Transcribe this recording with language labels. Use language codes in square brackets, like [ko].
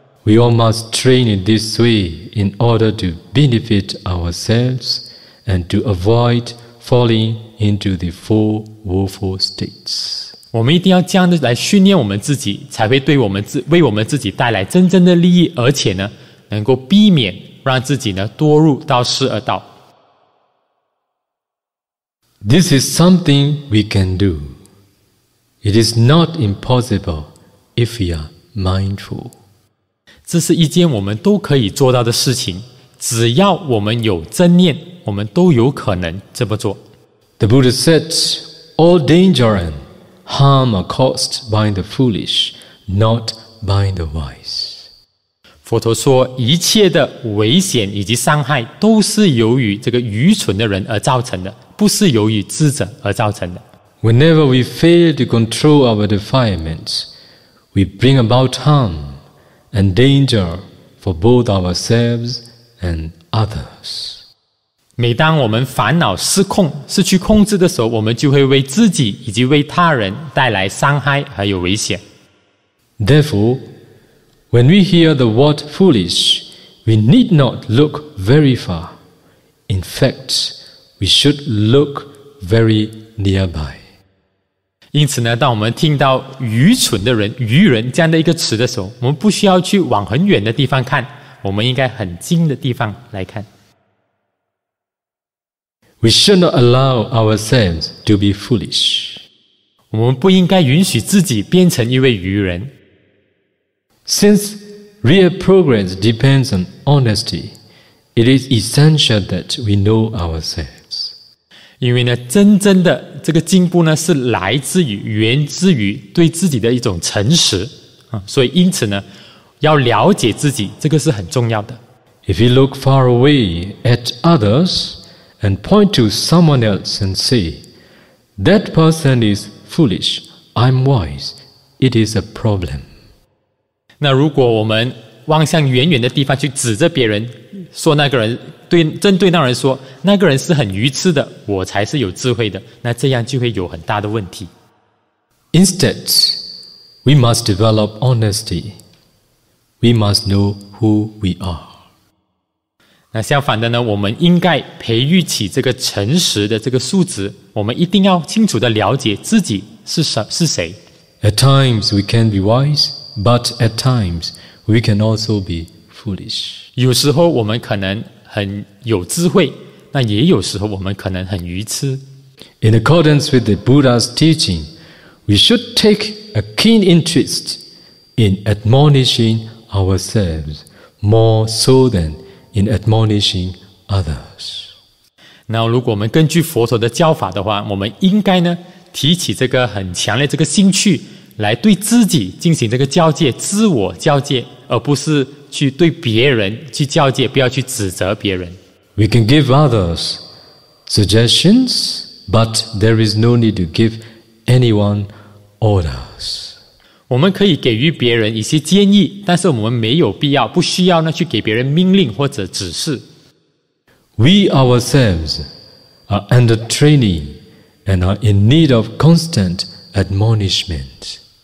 [en] We all must train in this way in order to benefit ourselves and to avoid falling into the four woeful states. [zh] 我们一定要这样的来训练我们自己，才会对我们为我们自己带来真正的利益，而且呢，能够避免让自己呢堕入到四恶道。 [en] This is something we can do. It is not impossible if we are mindful. [zh] 这是一件我们都可以做到的事情，只要我们有真念，我们都有可能这么做。 [en] The Buddha said, all danger and harm are caused by the foolish, not by the wise. [zh] 佛陀说，一切的危险以及伤害都是由于这个愚蠢的人而造成的，不是由于智者而造成的。 [en] Whenever we fail to control our defilements, we bring about harm and danger for both ourselves and others. [zh] 每当我们烦恼失控、失去控制的时候，我们就会为自己以及为他人带来伤害还有危险。 [en] Therefore, when we hear the word foolish, we need not look very far. In fact, we should look very nearby. [zh] 因此呢，当我们听到愚蠢的人、愚人这样的一个词的时候，我们不需要去往很远的地方看，我们应该很近的地方来看。 [en] We should not allow ourselves to be foolish. [zh] 我们不应该允许自己变成一位愚人。 [en] Since real progress depends on honesty, it is essential that we know ourselves. [zh] 因为呢，真正的这个进步呢，是来自于源自于对自己的一种诚实啊，所以因此呢，要了解自己，这个是很重要的。 [en] If you look far away at others and point to someone else and say, that person is foolish, I'm wise, it is a problem. [zh] 那如果我们望向远远的地方去指着别人，说那个人对，针对那人说，那个人是很愚痴的，我才是有智慧的，那这样就会有很大的问题。 [en] Instead, we must develop honesty. We must know who we are. [zh] 那相反的呢，我们应该培育起这个诚实的这个素质，我们一定要清楚地了解自己是谁。 [en] At times we can be wise, but at times we can also be foolish. [zh] 有时候我们可能很有智慧，那也有时候我们可能很愚痴。 [en] In accordance with the Buddha's teaching,We should take a keen interest in admonishing ourselves more so than in admonishing others. [zh] 那如果我们根据佛陀的教法的话，我们应该呢提起这个很强烈这个兴趣来对自己进行这个教诫，自我教诫，而不是去对别人去教诫，不要去指责别人。 [en] We can give others suggestions, but there is no need to give anyone. Orders. [zh] 我们可以给予别人一些建议，但是我们没有必要，不需要呢去给别人命令或者指示。 [en] We ourselves are under training and are in need of constant admonishment.